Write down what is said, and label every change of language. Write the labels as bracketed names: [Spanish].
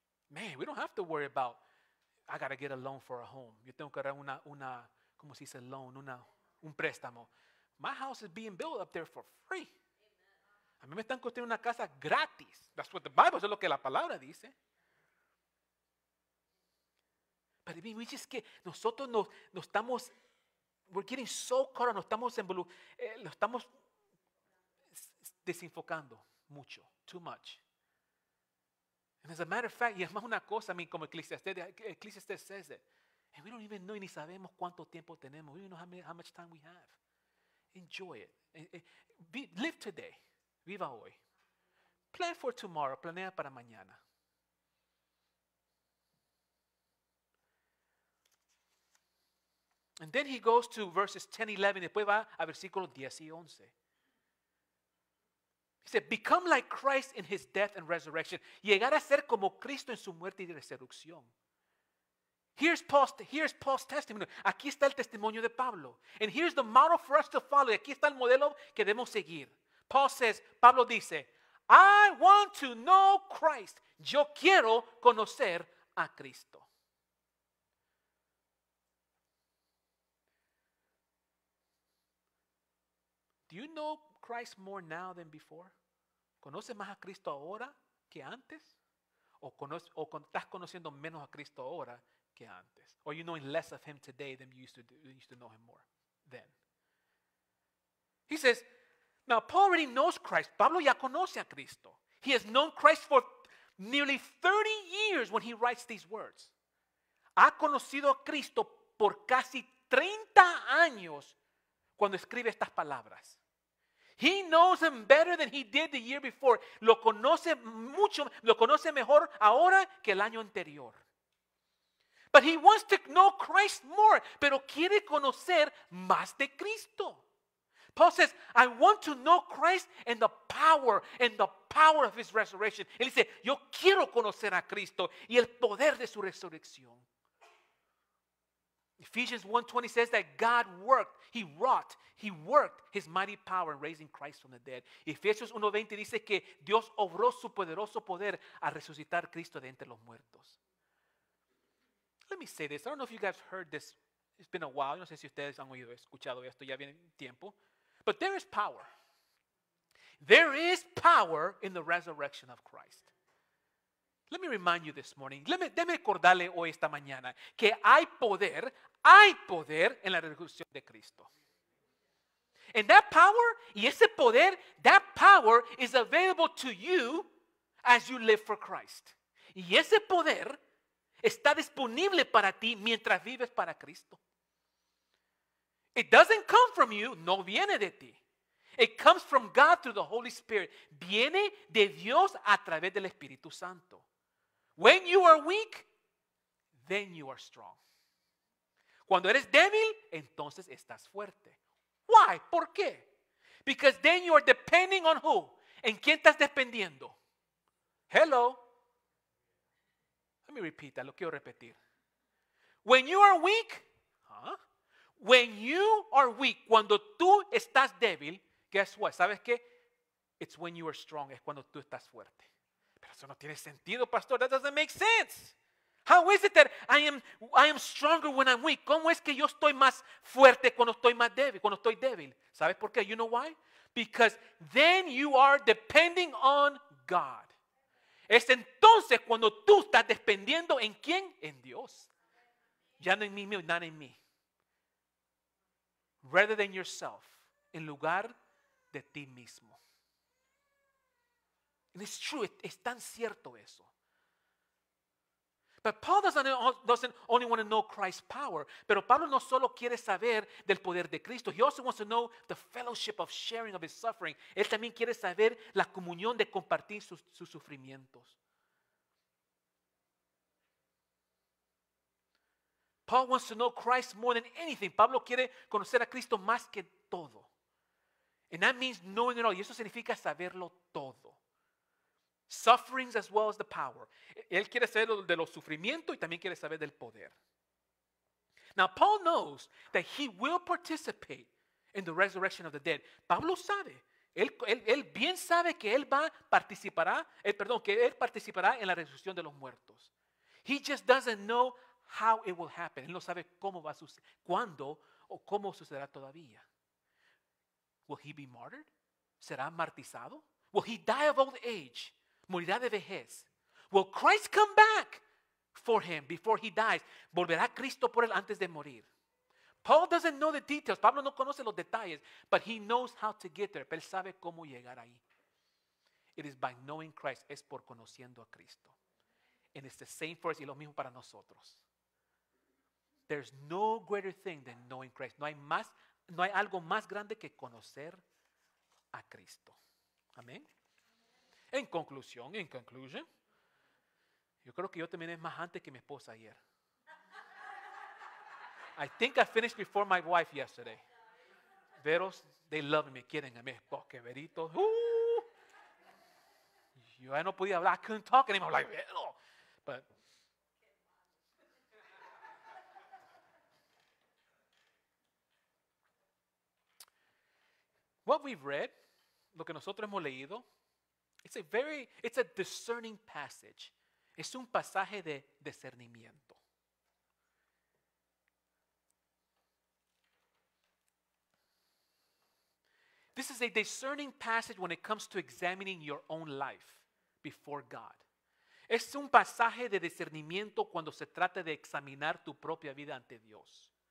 [English] Man, we don't have to worry about, I got to get a loan for a home. [Spanish] Yo tengo que dar una, ¿cómo se dice? Loan, un préstamo. [English] My house is being built up there for free. [Spanish] A mí me están construyendo una casa gratis. [English] That's what the Bible, [Spanish] eso es lo que la palabra dice. [English] But we just get, [Spanish] nosotros nos estamos, [English] we're getting so caught, [Spanish] nos estamos lo estamos desenfocando mucho, [English] too much. And as a matter of fact, [Spanish] y es más una cosa, [English] I mean, como Ecclesiastes says it, and we don't even know, [Spanish] ni sabemos cuánto tiempo tenemos, [English] we don't know how much time we have. Enjoy it. Live today. [Spanish] Viva hoy. [English] Plan for tomorrow. [Spanish] Planea para mañana. [English] And then he goes to verses 10, 11. [Spanish] Después va a versículos 10 y 11. [English] He said, become like Christ in his death and resurrection. [Spanish] Llegar a ser como Cristo en su muerte y resurrección. [English] Here's Paul's testimony. [Spanish] Aquí está el testimonio de Pablo. [English] And here's the model for us to follow. [Spanish] Aquí está el modelo que debemos seguir. [English] Paul says, [Spanish] Pablo dice, [English] I want to know Christ. [Spanish] Yo quiero conocer a Cristo. [English] Do you know Christ more now than before? [Spanish] ¿Conoces más a Cristo ahora que antes? ¿O estás conociendo menos a Cristo ahora que antes? [English] Or you knowing less of him today than you used to know him more then? He says, now Paul already knows Christ. [Spanish] Pablo ya conoce a Cristo. [English] He has known Christ for nearly 30 years when he writes these words. [Spanish] Ha conocido a Cristo por casi 30 años cuando escribe estas palabras. [English] He knows him better than he did the year before. [Spanish] Lo conoce mucho, lo conoce mejor ahora que el año anterior. [English] But he wants to know Christ more, [Spanish] pero quiere conocer más de Cristo. [English] Paul says, I want to know Christ and the power of his resurrection. [Spanish] Él dice, yo quiero conocer a Cristo y el poder de su resurrección. [English] Ephesians 1:20 says that God worked, he worked his mighty power in raising Christ from the dead. [Spanish] Ephesians 1:20 dice que Dios obró su poderoso poder al resucitar Cristo de entre los muertos. [English] Let me say this, I don't know if you guys heard this, it's been a while, [Spanish] no sé si ustedes han oído, escuchado esto, ya viene tiempo, [English] but there is power. There is power in the resurrection of Christ. Let me remind you this morning. [Spanish] Déme recordarle hoy esta mañana que hay poder en la resurrección de Cristo. [English] And that power, [Spanish] y ese poder, [English] that power is available to you as you live for Christ. Y ese poder está disponible para ti mientras vives para Cristo. It doesn't come from you, [Spanish] no viene de ti. [English] It comes from God through the Holy Spirit. [Spanish] Viene de Dios a través del Espíritu Santo. [English] When you are weak, then you are strong. [Spanish] Cuando eres débil, entonces estás fuerte. [English] Why? [Spanish] ¿Por qué? [English] Because then you are depending on who? [Spanish] ¿En quién estás dependiendo? [English] Hello. Let me repeat that. [Spanish] Lo quiero repetir. [English] When you are weak, when you are weak, [Spanish] cuando tú estás débil, [English] guess what? [Spanish] ¿Sabes qué? [English] It's when you are strong, [Spanish] es cuando tú estás fuerte. Pero eso no tiene sentido, pastor. [English] That doesn't make sense. How is it that I am stronger when I'm weak? [Spanish] ¿Cómo es que yo estoy más fuerte cuando estoy más débil, cuando estoy débil? ¿Sabes por qué? [English] You know why? Because then you are depending on God. [Spanish] Es entonces cuando tú estás dependiendo en quién? En Dios. Ya no en mí, no en mí. [English] Rather than yourself, [Spanish] en lugar de ti mismo. [English] And it's true, [Spanish] es tan cierto eso. [English] But Paul doesn't only want to know Christ's power. [Spanish] Pero Pablo no solo quiere saber del poder de Cristo. [English] He also wants to know the fellowship of sharing of his suffering. [Spanish] Él también quiere saber la comunión de compartir sus sufrimientos. [English] Paul wants to know Christ more than anything. [Spanish] Pablo quiere conocer a Cristo más que todo. [English] And that means knowing it all. [Spanish] Y eso significa saberlo todo. [English] Sufferings as well as the power. [Spanish] Él quiere saber de los sufrimientos y también quiere saber del poder. [English] Now, Paul knows that he will participate in the resurrection of the dead. [Spanish] Pablo sabe. Él bien sabe que él participará en la resurrección de los muertos. [English] He just doesn't know how it will happen. [Spanish] Él no sabe cómo va a suceder, cuándo o cómo sucederá todavía. [English] Will he be martyred? [Spanish] ¿Será martirizado? [English] Will he die of old age? [Spanish] ¿Morirá de vejez? [English] Will Christ come back for him before he dies? [Spanish] ¿Volverá Cristo por él antes de morir? [English] Paul doesn't know the details. [Spanish] Pablo no conoce los detalles, [English] but he knows how to get there. [Spanish] Pero él sabe cómo llegar ahí. It is by knowing Christ. Es por conociendo a Cristo. [English] And it's the same for us, [Spanish] y lo mismo para nosotros. [English] There's no greater thing than knowing Christ. [Spanish] No hay algo más grande que conocer a Cristo. Amén. En conclusión, yo creo que yo terminé más antes que mi esposa ayer. [English] I think I finished before my wife yesterday. [Spanish] Veros, [English] they love me, [Spanish] quieren a mí. Porque Verito, yo ya no podía hablar, [English] I couldn't talk anymore. Like, [Spanish] Vero. [English] But what we've read, [Spanish] lo que nosotros hemos leído, [English] it's a discerning passage. [Spanish] Es un pasaje de discernimiento. [English] This is a discerning passage when it comes to examining your own life before God. [Spanish] Es un pasaje de discernimiento cuando se trata de examinar tu propia vida ante Dios.